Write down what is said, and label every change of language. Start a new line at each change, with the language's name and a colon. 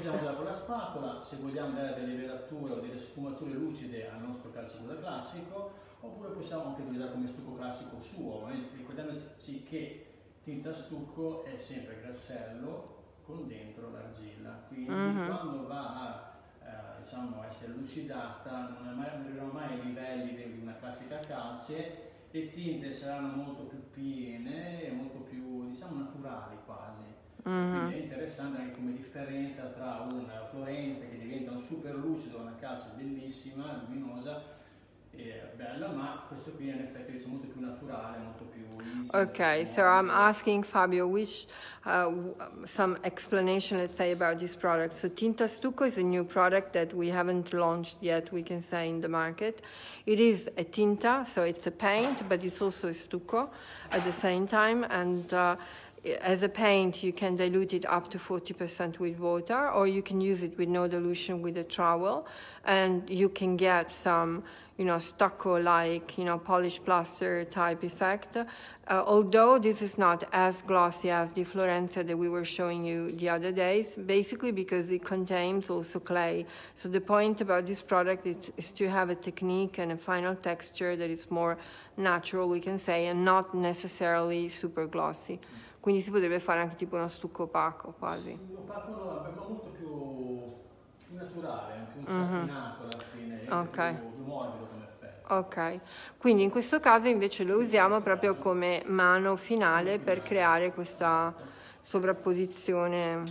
Italian: Con la spatola, se vogliamo dare delle velature o delle sfumature lucide al nostro calce cruda classico, oppure possiamo anche utilizzare come stucco classico suo, ricordiamoci che tinta stucco è sempre grassello con dentro l'argilla, quindi quando va a essere lucidata non arriverà mai ai livelli di una classica calce, le tinte saranno molto più piene e molto più, diciamo, naturali quasi. Quindi è interessante anche come differenza tra una Florenza che diventa un super lucido, una calce bellissima, luminosa, bella, ma questo qui è un effetto invece molto più naturale, molto più easy.
English: Okay, so I'm asking Fabio which some explanation, let's say, about this product. So Tinta Stucco is a new product that we haven't launched yet, we can say, in the market. It is a tinta, so it's a paint, but it's also a stucco at the same time. And as a paint, you can dilute it up to 40% with water, or you can use it with no dilution with a trowel, and you can get some, you know, stucco-like, you know, polished plaster type effect. Although this is not as glossy as the Florenza that we were showing you the other days, basically because it contains also clay. So the point about this product is to have a technique and a final texture that is more natural, we can say, and not necessarily super glossy.
Italian: Quindi si potrebbe fare anche tipo uno stucco opaco, quasi. Opaco no, ma molto più naturale, più satinato alla fine, okay. Più morbido come effetto. Ok, quindi in questo caso invece lo usiamo proprio come mano finale per creare questa sovrapposizione.